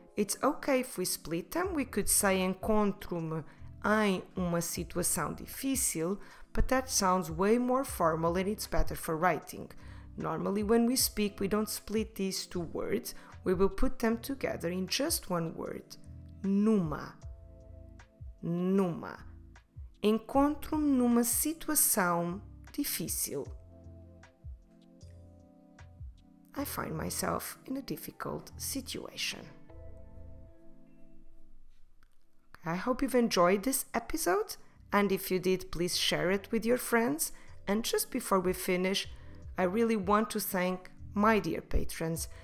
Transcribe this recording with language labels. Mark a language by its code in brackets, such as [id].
[en] It's okay if we split them. We could say [pt] encontro-me em uma situação difícil, [en] but that sounds way more formal and it's better for writing. Normally, when we speak, we don't split these two words. We will put them together in just one word. [pt] Numa. Numa. Encontro-me numa situação difícil. [en] I find myself in a difficult situation. I hope you've enjoyed this episode. And if you did, please share it with your friends. And just before we finish, I really want to thank my dear patrons.